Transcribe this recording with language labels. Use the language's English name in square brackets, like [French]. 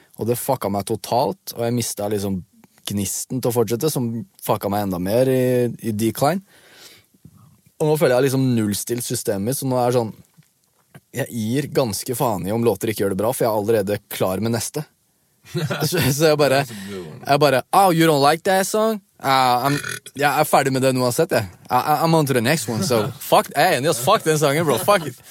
[Norwegian] Og det fucka meg totalt, og jeg mistet liksom gnisten til å fortsette, som fucka meg enda mer I decline. Og nå føler jeg liksom nullstilt systemet, så nå jeg sånn, jeg gir ganske faen I om låter ikke gjør det bra, for jeg allerede klar med neste. Så jeg bare, [English] oh, you don't like that song? [Norwegian] Jeg ferdig med det uansett, jeg. [English] I'm on to the next one, so fuck, [Norwegian] jeg enig, ass, fuck den sangen, [English] bro, fuck it.